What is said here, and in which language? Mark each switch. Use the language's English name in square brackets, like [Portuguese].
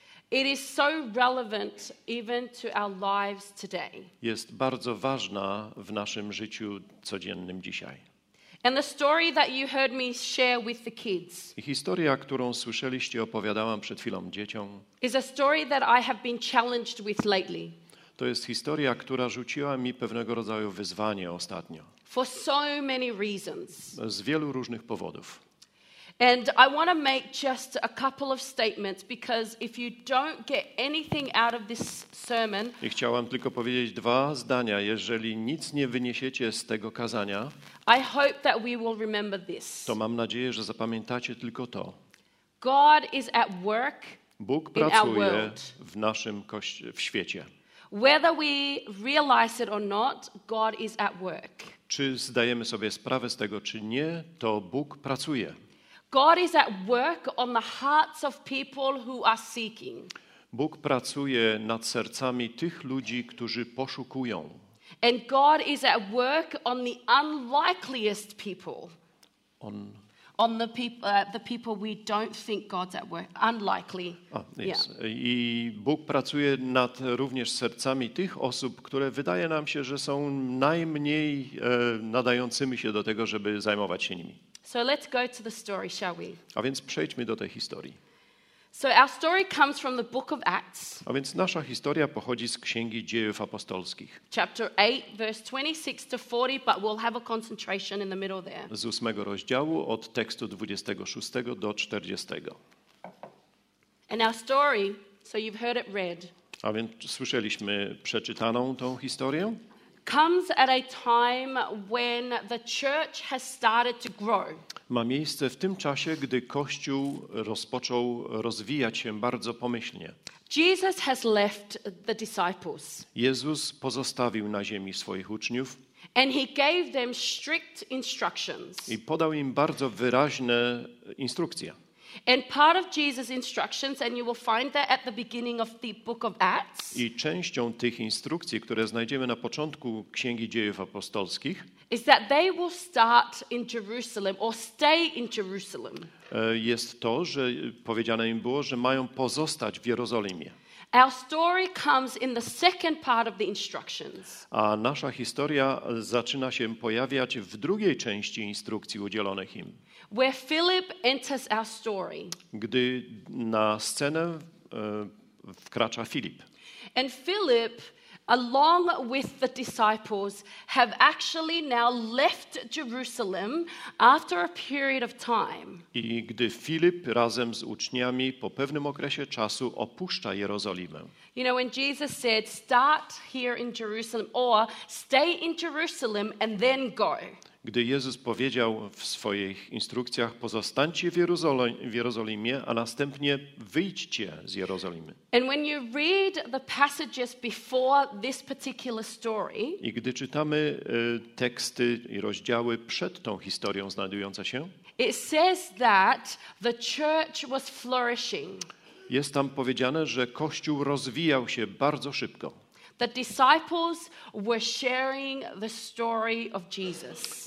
[English] It is so relevant even to our lives today. [Polish] Jest bardzo ważna w naszym życiu codziennym dzisiaj. [English] And the story that you heard me share with the kids. [Polish] Historia, którą słyszeliście, opowiadałam przed chwilą dzieciom. [English] Is a story that I have been challenged with lately. [Polish] To jest historia, która rzuciła mi pewnego rodzaju wyzwanie ostatnio. [English] For so many reasons. [Polish] Z wielu różnych powodów. [English] And I want to make just a couple of statements because if you don't get anything out of this sermon. [Polish] I chciałam tylko powiedzieć dwa zdania, jeżeli nic nie wyniesiecie z tego kazania. [English] I hope that we will remember this. [Polish] To mam nadzieję, że zapamiętacie tylko to. [English] God is at work. [Polish] Bóg pracuje w naszym w świecie. [English] Whether we realize it or not, God is at work. [Polish] Czy zdajemy sobie sprawę z tego czy nie, to Bóg pracuje. [English] God is at work on the hearts of people who are seeking. [Polish] Bóg pracuje nad sercami tych ludzi, którzy poszukują. [English] And God is at work on the unlikeliest people. On the people we don't think God's at work, unlikely. Yes. [Polish] I Bóg pracuje nad również sercami tych osób, które wydaje nam się, że są najmniej nadającymi się do tego, żeby zajmować się nimi. [English] So let's go to the story, shall we? [Polish] A więc przejdźmy do tej historii. [English] So our story comes from the book of Acts. [Polish] A więc nasza historia pochodzi z Księgi Dziejów Apostolskich. [English] Chapter 8 verse 26 to 40, but we'll have a concentration in the middle there. [Polish] Z 8 rozdziału od tekstu 26 do 40. [English] And our story, so you've heard it read. [Polish] A więc słyszeliśmy przeczytaną tą historię. [English] Comes at a time when the church has started to grow. [Polish] Ma miejsce w tym czasie, gdy Kościół rozpoczął rozwijać się bardzo pomyślnie. [English] Jesus has left the disciples. [Polish] Jezus pozostawił na ziemi swoich uczniów. [English] And he gave them strict instructions. [Polish] I podał im bardzo wyraźne instrukcje. [English] And part of Jesus' instructions, and you will find that at the beginning of the book of Acts. [Polish] I częścią tych instrukcji, które znajdziemy na początku Księgi Dziejów Apostolskich, [English] is that they will start in Jerusalem or stay in Jerusalem. [Polish] Jest to, że powiedziane im było, że mają pozostać w Jerozolimie. [English] Our story comes in the second part of the instructions. [Polish] A nasza historia zaczyna się pojawiać w drugiej części instrukcji udzielonych im. [English] Where Philip enters our story. [Polish] Gdy na scenę wkracza Filip. [English] And Philip, along with the disciples, have actually now left Jerusalem after a period of time. [Polish] I gdy Filip razem z uczniami po pewnym okresie czasu opuszcza Jerozolimę. [English] You know, when Jesus said, "Start here in Jerusalem," or "Stay in Jerusalem and then go." [Polish] Gdy Jezus powiedział w swoich instrukcjach, pozostańcie w Jerozolimie, a następnie wyjdźcie z Jerozolimy. [English] And when you read the passages before this particular story, [Polish] i gdy czytamy teksty i rozdziały przed tą historią znajdującą się, [English] it says that the church was flourishing. [Polish] Jest tam powiedziane, że Kościół rozwijał się bardzo szybko. [English] The disciples were sharing the story of Jesus.